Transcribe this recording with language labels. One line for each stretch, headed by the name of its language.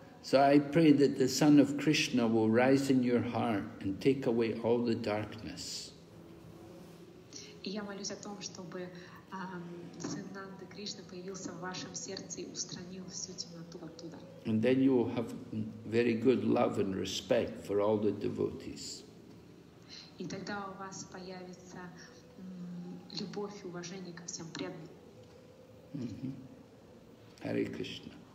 English: So I pray that the Son of Krishna will rise in your heart and take away all the darkness.
Russian: И я молюсь о том, чтобы Сын Нанды Кришна появился в вашем сердце и устранил всю темноту оттуда.
English: And then you will have very good love and respect for all the devotees.
Russian: И тогда у вас появится любовь и уважение ко всем преданным.
English: Hare Krishna.